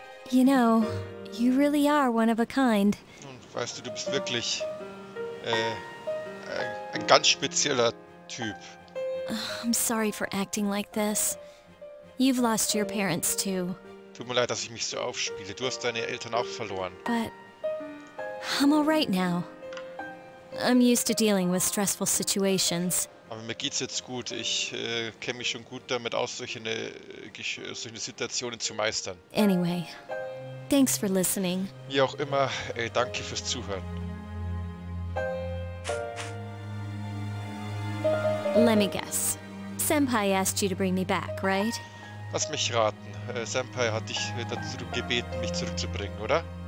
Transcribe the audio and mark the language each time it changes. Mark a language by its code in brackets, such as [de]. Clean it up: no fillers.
[en] You know, you really are one of a kind. [de] Nun, weißt du bist wirklich ein ganz spezieller Typ. [en] I'm sorry for acting like this. You've lost your parents too. [de] Tut mir leid, dass ich mich so aufspiele. Du hast deine Eltern auch verloren. [en] But I'm all right now. I'm used to dealing with stressful situations. [de] Aber mir geht's jetzt gut. Ich kenne mich schon gut damit aus, solche Situationen zu meistern. [en] Anyway, thanks for listening. [de] Wie auch immer, danke fürs Zuhören. [en] Let me guess. Senpai asked you to bring me back, right? [de] Lass mich raten. Senpai hat dich dazu gebeten, mich zurückzubringen, oder?